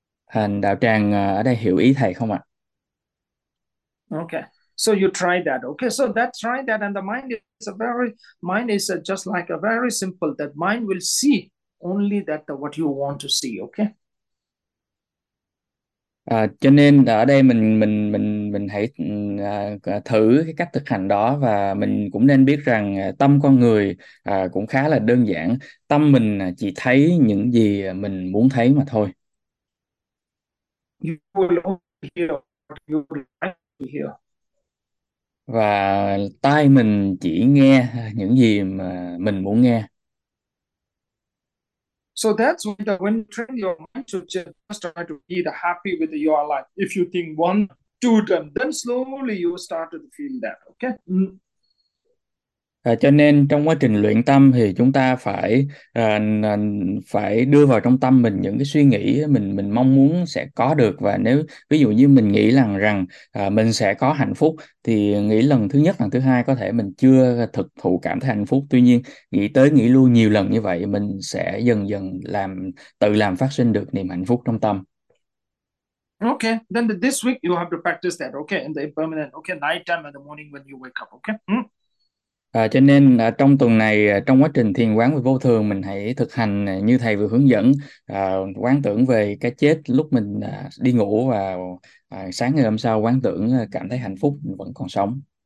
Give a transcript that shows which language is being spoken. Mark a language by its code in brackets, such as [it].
[vi] Thành đạo tràng ở đây hiểu ý thầy không ạ? [en] Okay. So you try that. Okay, so that try that and the mind is just like a very simple that mind will see only that what you want to see, okay? [vi] À, cho nên ở đây mình hãy thử cái cách thực hành đó, và mình cũng nên biết rằng tâm con người cũng khá là đơn giản, tâm mình chỉ thấy những gì mình muốn thấy mà thôi. [en] You will hear what you like to hear. [vi] Và tai mình chỉ nghe những gì mà mình muốn nghe. [en] So that's when train your mind to just try to be the happy with your life. If you think one, two, then slowly you start to feel that, okay? [vi] À, cho nên trong quá trình luyện tâm thì chúng ta phải phải đưa vào trong tâm mình những cái suy nghĩ mình mong muốn sẽ có được, và nếu ví dụ như mình nghĩ rằng mình sẽ có hạnh phúc thì nghĩ lần thứ nhất, lần thứ hai có thể mình chưa thực thụ cảm thấy hạnh phúc, tuy nhiên nghĩ tới nghĩ lui nhiều lần như vậy mình sẽ dần dần làm phát sinh được niềm hạnh phúc trong tâm. [en] Okay, then this week you have to practice that, okay, in the impermanent, okay, night time and the morning when you wake up, okay? [vi] À, cho nên trong tuần này, trong quá trình thiền quán về vô thường, mình hãy thực hành như thầy vừa hướng dẫn, quán tưởng về cái chết lúc mình đi ngủ, và sáng ngày hôm sau quán tưởng cảm thấy hạnh phúc mình vẫn còn sống.